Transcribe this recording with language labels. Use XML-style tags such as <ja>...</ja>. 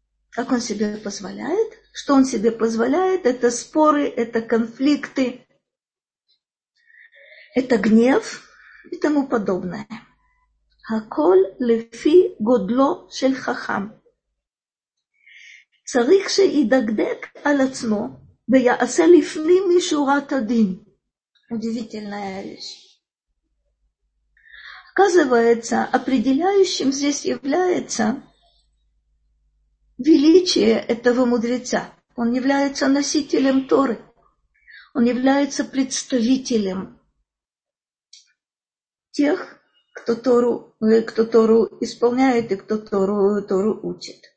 <ru>Как он себе позволяет? Что он себе позволяет? Это споры, это конфликты, это гнев и тому подобное.</ru> <he>Хаколь лефи годло шель хахам. צריך שידגדג על עצמו ויעשה לפנים משורת הדין.</he> <ru>Удивительная вещь. Оказывается, определяющим здесь является величие этого мудреца. Он является носителем Торы. Он является представителем тех, кто Тору исполняет и кто Тору учит.</ru>